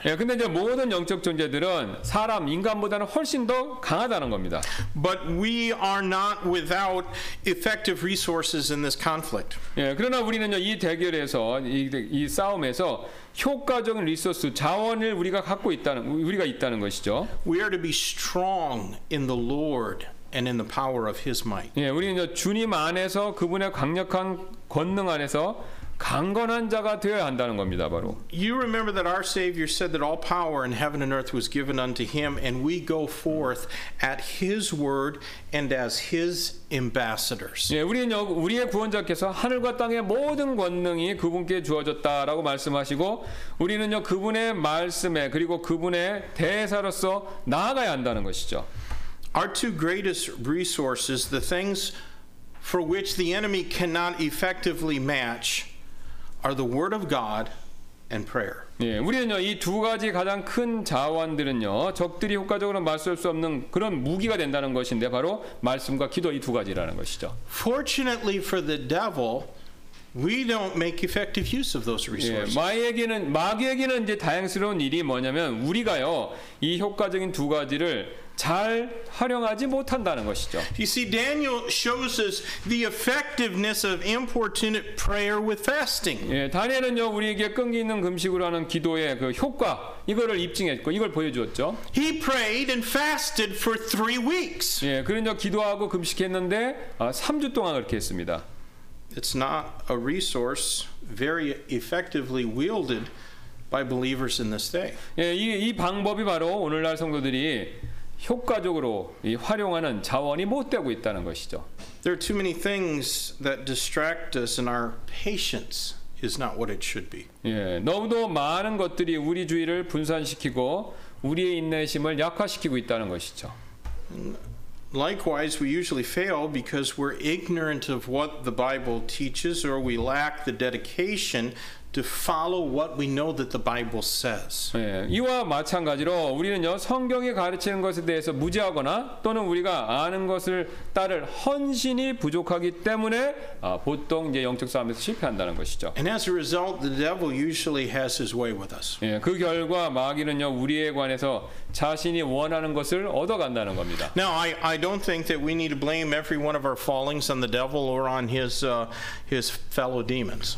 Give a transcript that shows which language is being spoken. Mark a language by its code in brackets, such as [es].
[ko] 예, 근데 이제 모든 영적 존재들은 사람 인간보다는 훨씬 더 강하다는 겁니다. [en] But we are not without effective resources in this conflict. [ko] 예, 그러나 우리는 이 대결에서 이 싸움에서 효과적인 리소스 자원을 우리가 갖고 있다는 우리가 있다는 것이죠. [en] We are to be strong in the Lord and in the power of His might. [ko] 예, 우리는 주님 안에서 그분의 강력한 권능 안에서 강건한 자가 되어야 한다는 겁니다, 바로. [en] You remember that our Savior said that all power in heaven and earth was given unto Him, and we go forth at His word and as His ambassadors. [ko] 예, 우리는 우리의 구원자께서 하늘과 땅의 모든 권능이 그분께 주어졌다라고 말씀하시고, 우리는요 그분의 말씀에 그리고 그분의 대사로서 나아가야 한다는 것이죠. [en] Our two greatest resources, the things for which the enemy cannot effectively match. Are the word of God and prayer. [ko] 예, 우리는요 이 두 가지 가장 큰 자원들은요 적들이 효과적으로 맞설 수 없는 그런 무기가 된다는 것인데 바로 말씀과 기도 이 두 가지라는 것이죠. [en] Fortunately for the devil, we don't make effective use of those resources. [ko] 예, 마귀에게는 이제 다행스러운 일이 뭐냐면 우리가요 이 효과적인 두 가지를 잘 활용하지 못한다는 것이죠. [en] You see, Daniel shows us the effectiveness of importunate prayer with fasting. [ko] 예, 다니엘은요 우리에게 끈기 있는 금식으로 하는 기도의 그 효과 이거를 입증했고 이걸 보여주었죠. [en] He prayed and fasted for 3 weeks. [ko] 예, 그런데 기도하고 금식했는데 3주 동안 그렇게 했습니다. [en] It's not a resource very effectively wielded by believers in this day. [ko] 예, 이 방법이 바로 오늘날 성도들이 효과적으로 이 활용하는 자원이 못 되고 있다는 것이죠. [en] There are too many things that distract us and our patience is not what it should be. [ko] 예, 너무도 많은 것들이 우리 주의를 분산시키고 우리의 인내심을 약화시키고 있다는 것이죠. [en] Likewise, we usually fail because we're ignorant of what the Bible teaches or we lack the dedication to follow what we know that the Bible says. [ko] 예, 이와 마찬가지로 우리는요 성경이 가르치는 것에 대해서 무지하거나 또는 우리가 아는 것을 따를 헌신이 부족하기 때문에 보통 이제 영적 싸움에서 실패한다는 것이죠. [en] And as a result, the devil usually has his way with us. [ko] 예, 그 결과 마귀는요 우리에 관해서 자신이 원하는 것을 얻어간다는 겁니다. [en] Now, I don't think that we need to blame every one of our fallings on the devil or on his fellow demons.